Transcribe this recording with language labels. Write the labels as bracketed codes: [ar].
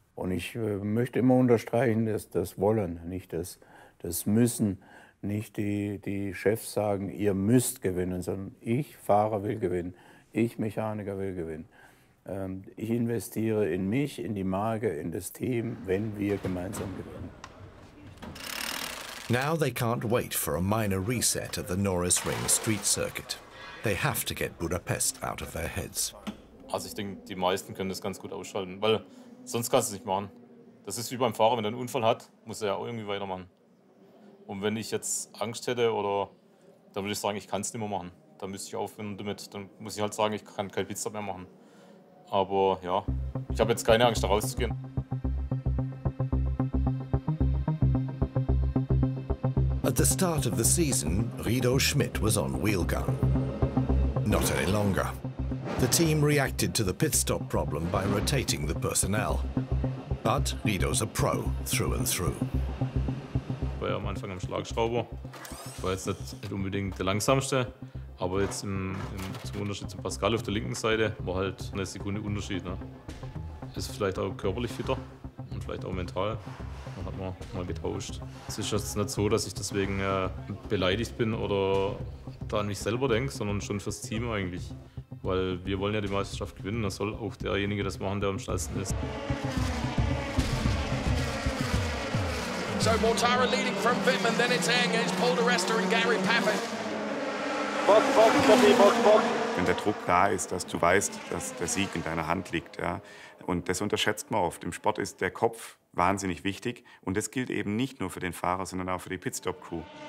[de] Und ich möchte immer unterstreichen, dass das Wollen, nicht das Müssen, nicht die Chefs sagen, ihr müsst gewinnen, sondern ich Fahrer will gewinnen, ich Mechaniker will gewinnen. Ich investiere in mich, in die Marke, in das Team, wenn wir gemeinsam gewinnen. [en] Now they can't wait for a minor reset at the Nürburgring street circuit. They have to get Budapest out of their heads. [de] Also ich denke, die meisten können das ganz gut ausschalten, weil sonst kannst du es nicht machen. Das ist wie beim Fahrer, wenn er einen Unfall hat, muss er ja auch irgendwie weitermachen. Und wenn ich jetzt Angst hätte, oder, dann würde ich sagen, ich kann es nicht mehr machen. Dann müsste ich aufhören damit. Dann muss ich halt sagen, ich kann keinen Pitstop mehr machen. Aber ja, ich habe jetzt keine Angst, da rauszugehen. [en] At the start of the season, Rido Schmidt was on wheel gun. Not any longer. The team reacted to the pit stop problem by rotating the personnel. But Rido's a pro through and through. [de] Ich war ja am Anfang am Schlagschrauber. Ich war jetzt nicht unbedingt der Langsamste. Aber jetzt zum Unterschied zu Pascal auf der linken Seite war halt eine Sekunde Unterschied. Ne? Ist vielleicht auch körperlich fitter und vielleicht auch mental. Dann hat man mal getauscht. Es ist jetzt nicht so, dass ich deswegen beleidigt bin oder da an mich selber denke, sondern schon fürs Team eigentlich. Weil wir wollen ja die Meisterschaft gewinnen. Da soll auch derjenige das machen, der am schnellsten ist. [en] So Mortara leading from Wim and then it's Eng. It's Paul de Rester and Gary Pappen. [de] Wenn der Druck da ist, dass du weißt, dass der Sieg in deiner Hand liegt, ja, und das unterschätzt man oft. Im Sport ist der Kopf wahnsinnig wichtig und das gilt eben nicht nur für den Fahrer, sondern auch für die Pitstop-Crew.